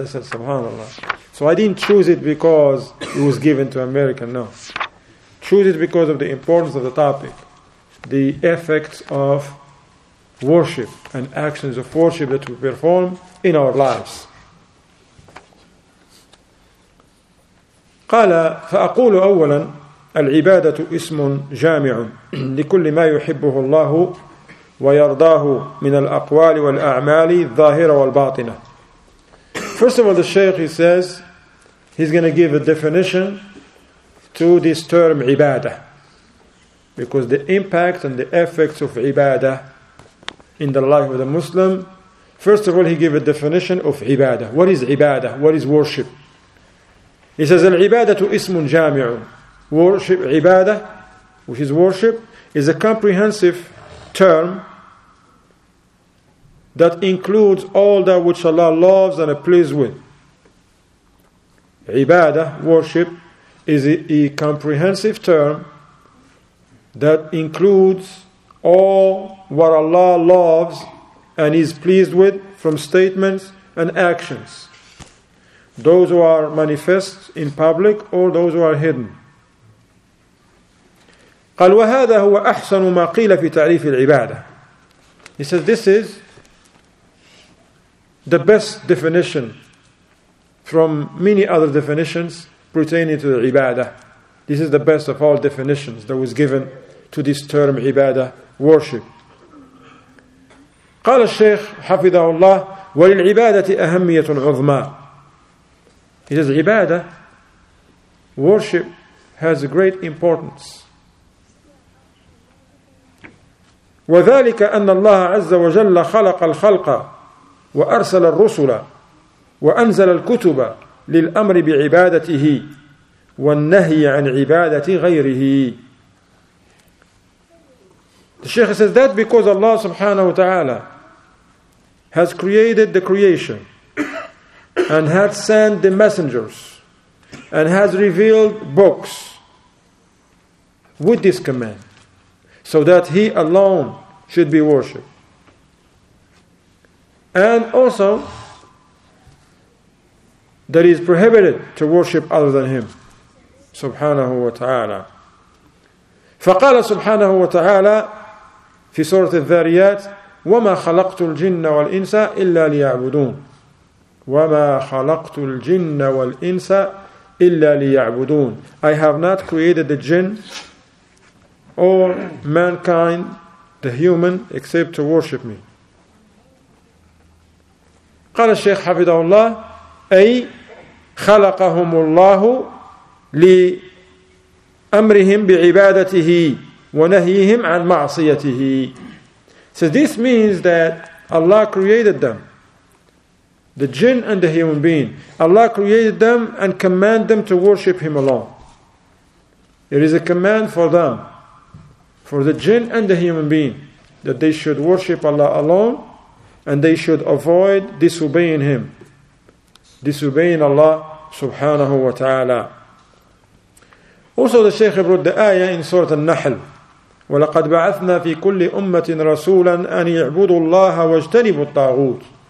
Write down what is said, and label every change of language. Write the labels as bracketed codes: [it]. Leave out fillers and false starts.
[en] I said, subhanAllah. So I didn't choose it because it was given to America, no. Choose it because of the importance of the topic, the effects of worship and actions of worship that we perform in our lives. [ar] قال فأقول أولا العبادة اسم جامع لكل ما يحبه الله ويرضاه من الأقوال والأعمال الظاهرة والباطنة. [en] First of all, the Shaykh, he says, he's going to give a definition to this term ibadah, because the impact and the effects of ibadah in the life of the Muslim, first of all, he gave a definition of ibadah. What is ibadah? What is worship? He says, [ar] al-ibadatu ismun jami'un. [en] worship, ibadah, which is worship, is a comprehensive term that includes all that which Allah loves and is pleased with. Ibadah, worship, is a comprehensive term that includes all what Allah loves and is pleased with from statements and actions. Those who are manifest in public or those who are hidden. [ar] قال وهذا هو أحسن ما قيل في تعريف العبادة. [en] He says this is the best definition from many other definitions pertaining to the ibadah. This is the best of all definitions that was given to this term ibadah, worship. [ar] قال الشيخ حفظه الله وللعبادة أهمية عظمى. [en] He says ibadah, worship, has a great importance. [ar] وذلك أن الله عز وجل خلق الخلق وأرسل الرسل وأنزل الكتب للأمر بعبادته والنهي عن عبادة غيره. [en] The Sheikh says that because Allah subhanahu wa ta'ala has created the creation and has sent the messengers and has revealed books with this command, so that He alone should be worshipped. And also that it is prohibited to worship other than Him, subhanahu wa ta'ala. [ar] فَقَالَ سُبْحَانَهُ وَتَعَالَى فِي سُورَةِ الذَّارِيَاتِ وَمَا خَلَقْتُ الْجِنَّ وَالْإِنسَ إِلَّا لِيَعْبُدُونَ وَمَا خَلَقْتُ الْجِنَّ وَالْإِنسَ إِلَّا لِيَعْبُدُونَ. [en] I have not created the jinn or mankind, the human, except to worship me. [ar] قال الشيخ حفظه الله أي خلقهم الله لأمرهم بعبادته ونهيهم عن معصيته. [en] So this means that Allah created them, the jinn and the human being. Allah created them and commanded them to worship Him alone. It is a command for them, for the jinn and the human being, that they should worship Allah alone and they should avoid disobeying Him, disobeying Allah subhanahu wa ta'ala. Also the Shaykh wrote the ayah in Surah An-Nahl, [ar] وَلَقَدْ بَعَثْنَا فِي كُلِّ أُمَّةٍ رَسُولًا أَنْ يَعْبُدُوا اللَّهَ وَاجْتَنِبُوا الطَّاغُوتِ.